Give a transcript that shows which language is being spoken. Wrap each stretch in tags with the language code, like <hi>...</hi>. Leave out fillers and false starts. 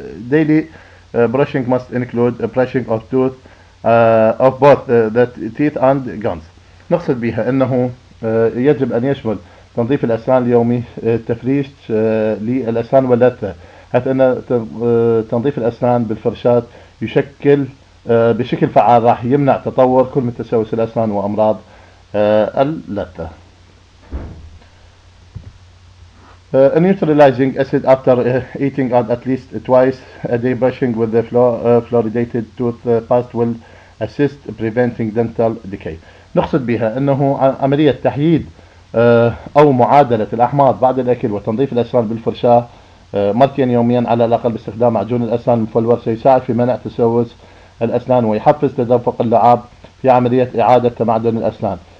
<en>Daily brushing must include a brushing of tooth of both the teeth and gums.</en> <ar>نقصد بها انه يجب ان يشمل تنظيف الاسنان اليومي التفريش للاسنان واللثه، حيث ان تنظيف الاسنان بالفرشات يشكل بشكل فعال راح يمنع تطور كل من تسوس الاسنان وامراض اللثه.</ar> <en>Neutralizing acid after eating out at least twice a day brushing with the fluoridated toothpaste will assist preventing dental decay.</en> <ar>نقصد بها انه عملية تحييد او معادلة الاحماض بعد الاكل وتنظيف الاسنان بالفرشاة مرتين يوميا على الاقل باستخدام معجون الاسنان المفلور سيساعد في منع تسوس الاسنان ويحفز تدفق اللعاب في عملية اعادة معدن الاسنان.</ar>